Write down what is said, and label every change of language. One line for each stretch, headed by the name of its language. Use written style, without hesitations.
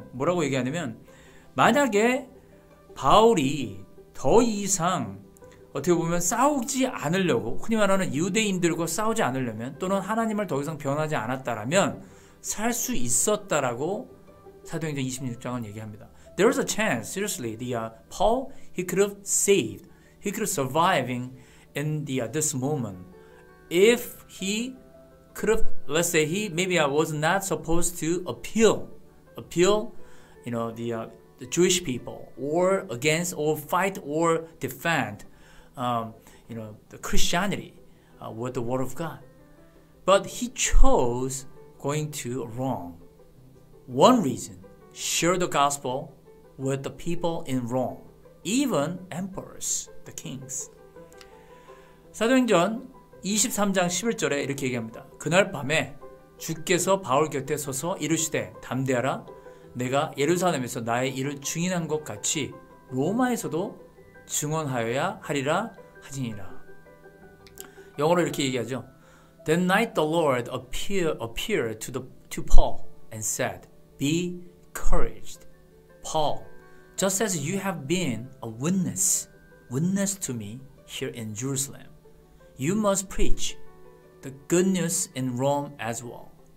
Korean: 뭐라고 얘기하냐면 만약에 바울이 더 이상 어떻게 보면 싸우지 않으려고 흔히 말하는 유대인들과 싸우지 않으려면 또는 하나님을 더 이상 변하지 않았다라면 살 수 있었다라고 사도행전 26장은 얘기합니다.
English: There is a chance, seriously, Paul, he could have saved, he could have surviving in this moment if he could have, let's say, maybe I was not supposed to appeal, you know, the Jewish people or against or fight or defend, you know, the Christianity with the word of God. But he chose going to Rome. One reason, share the gospel with the people in Rome, even emperors, the kings.
Korean: 사도행전 23장 11절에 이렇게 얘기합니다. 그날 밤에 주께서 바울 곁에 서서 이르시되 담대하라 내가 예루살렘에서 나의 일을 증인한 것 같이 로마에서도 증언하여야 하리라 하지니라. 영어로 이렇게 얘기하죠.
English: Then night the Lord appeared to Paul and said, Be encouraged, Paul, just as you have been a witness to me here in Jerusalem, you must preach the good news in Rome as well.